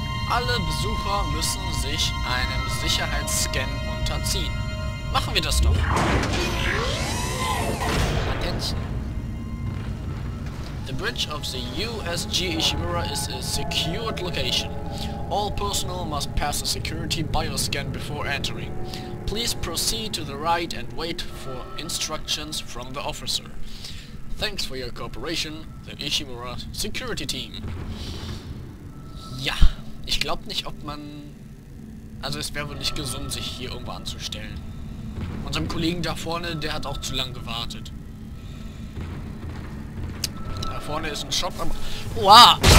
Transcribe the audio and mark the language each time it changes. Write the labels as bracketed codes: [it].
[de] Alle Besucher müssen sich einem Sicherheitsscan unterziehen. Machen wir das doch. [en] Attention. bridge of the USG Ishimura is a secured location. All personnel must pass a security bioscan before entering. Please proceed to the right and wait for instructions from the officer. Thanks for your cooperation, the Ishimura Security Team. [de] Ja, ich glaube nicht, ob man... Also es wäre wohl nicht gesund, sich hier irgendwo anzustellen. Unserem Kollegen da vorne, der hat auch zu lange gewartet. Da vorne ist ein Shop am... Oha!